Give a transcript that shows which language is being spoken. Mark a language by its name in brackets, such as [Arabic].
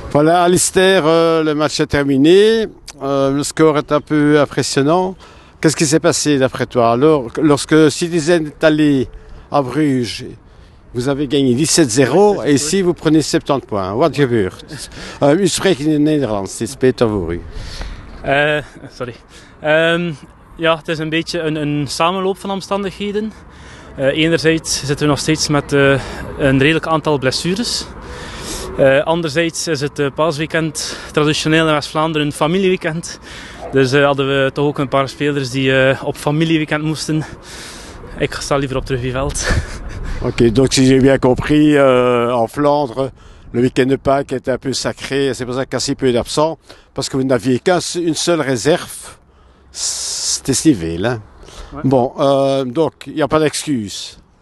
[French] Voilà, Alistair, le match est terminé. Le score est un peu impressionnant. Qu'est-ce qui s'est passé d'après toi? Alors, lorsque Citizen est allé à Bruges, vous avez gagné 17-0 et ici vous prenez 70 points. [English] What [French] Ouais. [English] you heard? [Dutch] U spreek in Nederlands, het is beter voor u. Sorry. Ja, het is een beetje een samenloop van omstandigheden. Enerzijds zitten we nog steeds met een redelijk aantal blessures. Anderzijds is het paasweekend traditioneel in West-Vlaanderen een familieweekend. Dus hadden we toch ook een paar spelers die op familieweekend moesten. Ik sta liever op Trevi-veld. [French] Ok, donc si j'ai bien compris, en Flandre, le week-end de Pâques était un peu sacré, c'est pour ça qu'assez peu d'absents, parce que vous n'aviez qu'une seule réserve, c'était civil. Hein. Ouais. Bon, donc il n'y a pas d'excuses.